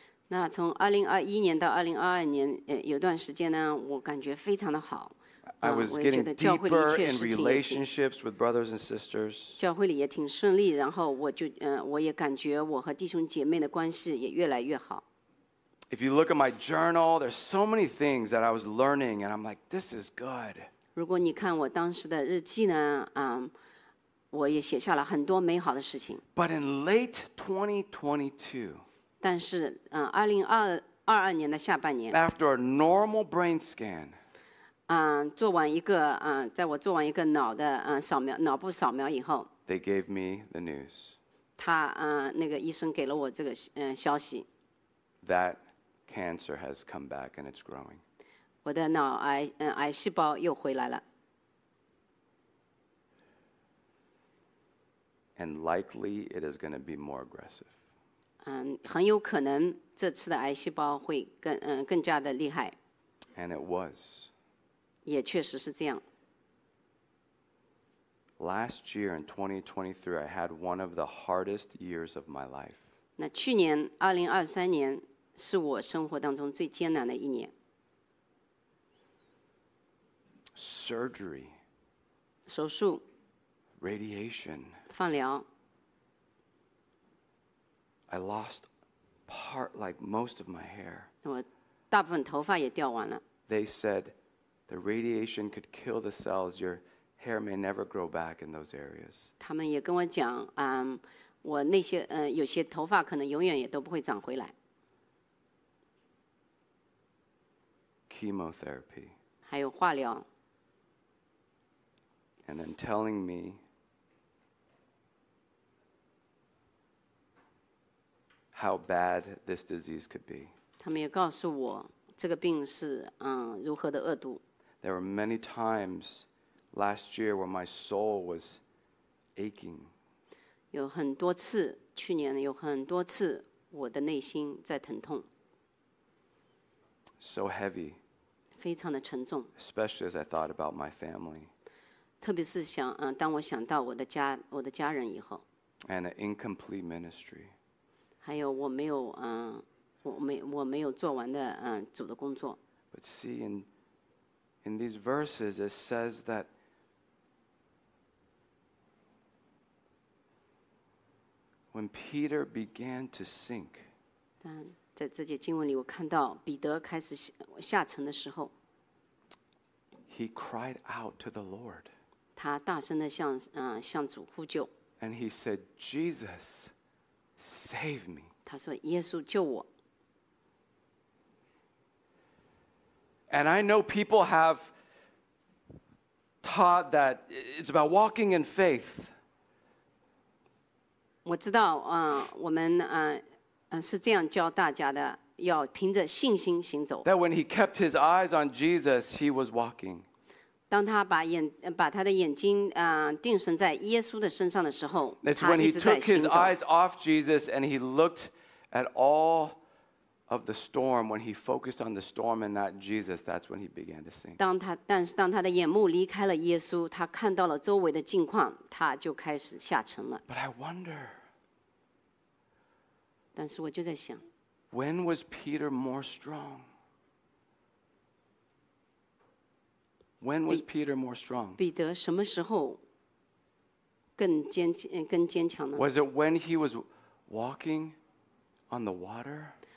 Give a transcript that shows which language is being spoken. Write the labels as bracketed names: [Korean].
[Chinese] 那从2021年到2022年，有段时间呢，我感觉非常的好。 [English] I was getting deeper in relationships with brothers and sisters. [Chinese] 教会里也挺顺利，然后我也感觉我和弟兄姐妹的关系也越来越好。 [English] If you look at my journal, there's so many things that I was learning, and I'm like, this is good. [Chinese] 如果你看我当时的日记呢，我也写下了很多美好的事情。 [English] But in late 2022, [Chinese] 但是2022年的下半年 [English] ，after a normal brain scan. [Chinese] 做完一个在我做完一个脑的扫描脑部扫描以后 [English] ，They gave me the news. [Chinese] 他那个医生给了我这个消息。 [English] That cancer has come back and it's growing. [Chinese] 我的脑癌癌细胞又回来了。 [English] And likely it is going to be more aggressive. [Chinese] 很有可能这次的癌细胞会更加的厉害。 [English] And it was. [Chinese] 也确实是这样。 [English] Last year in 2023, I had one of the hardest years of my life. [Chinese] 那去年2023年是我生活当中最艰难的一年。 [English] Surgery. [Chinese] 手术。 [English] Radiation. [Chinese] 放疗。 [English] I lost part, like most of my hair. [Chinese] 我大部分头发也掉完了。 [English] They said. The radiation could kill the cells. Your hair may never grow back in those areas. [Chinese] 他们也跟我讲，我那些有些头发可能永远也都不会长回来。 [English] Chemotherapy. [Chinese] 还有化疗。 [English] And then telling me how bad this disease could be. [Chinese] 他们也告诉我这个病是如何的恶毒。 [English] There were many times last year where my soul was aching. [Chinese] 有很多次，去年有很多次，我的内心在疼痛。 [English] So heavy. [Chinese] 非常的沉重。 [English] Especially as I thought about my family. [Chinese] 特别是想，当我想到我的家人以后。 [English] And an incomplete ministry. [Chinese] 还有我没有，我没有做完的，主的工作。 [English] But seeing. In these verses, it says that when Peter began to sink, [Chinese] 但在这节经文里，我看到彼得开始下沉的时候 [English] ，he cried out to the Lord. [Chinese] 他大声的向主呼救。 [English] And he said, "Jesus, save me." [Chinese] 他说，耶稣救我。 [English] And I know people have taught that it's about walking in faith. [Chinese] 我知道，我们是这样教大家的，要凭着信心行走。 [English] That when he kept his eyes on Jesus, he was walking. [Chinese] 当他把他的眼睛定神在耶稣的身上的时候，他一直在行走。 [English] It's when he took his eyes off Jesus and he looked at all. Of the storm, when he focused on the storm and not Jesus, that's when he began to sink. [Chinese] 但是当他的眼目离开了耶稣，他看到了周围的境况，他就开始下沉了。 [English] But I wonder. [Chinese] 但是我就在想 [English] ，When was Peter more strong? When was Peter more strong? [Chinese] 彼得什么时候更坚强呢 [English] ？Was it when he was walking on the water?